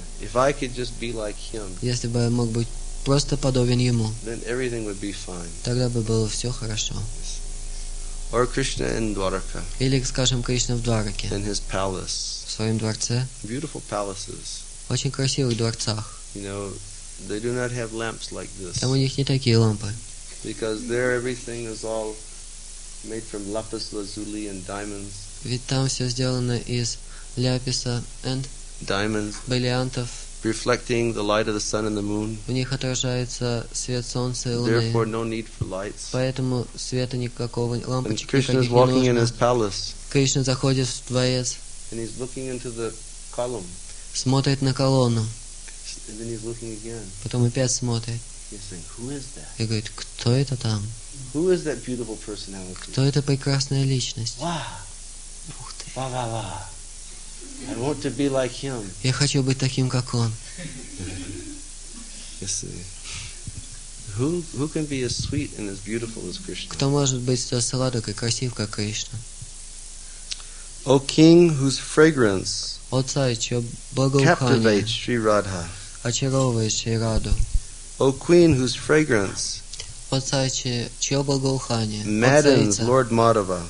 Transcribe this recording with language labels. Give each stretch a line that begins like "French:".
English: If I could just be like him,
Russian: если бы я мог быть просто подобен Ему,
English: then everything would be fine.
Russian: Тогда бы было все хорошо.
English: Or Krishna in Dwaraka,
Russian: или, скажем, Кришна в Двараке,
English: in his palace,
Russian: в своем дворце.
English: Beautiful palaces.
Russian: Очень красивых дворцах.
English: You know, they do not have lamps like this.
Russian: Там у них не такие лампы.
English: Because there everything is all made from lapis lazuli and diamonds.
Russian: Ведь там все сделано из ляписа
English: and diamonds,
Russian: бриллиантов.
English: Reflecting the light of the sun and the moon.
Russian: В них отражается свет солнца и луны.
English: Therefore, no need for lights.
Russian: Поэтому света никакого, лампочек никаких не нужно.
English: Krishna is walking in his palace.
Russian: Кришна заходит в дворец.
English: And he's looking into the column.
Russian: Смотрит на колонну.
English: And then he's looking again.
Russian: Потом опять смотрит.
English: He's saying, "Who is that?"
Russian: И говорит, кто это там?
English: Who is that beautiful personality?
Russian: Кто эта прекрасная личность?
English: Wow. I want to be like him.
Russian: Я хочу быть таким, как он.
English: You see. Who can be as sweet and as beautiful as Krishna?
Russian: Кто может быть столь сладок и красив, как Кришна?
English: O king whose fragrance captivates Sri Radha.
Russian: Очаровывает Шри Раду.
English: O queen whose fragrance maddens Lord Madhava.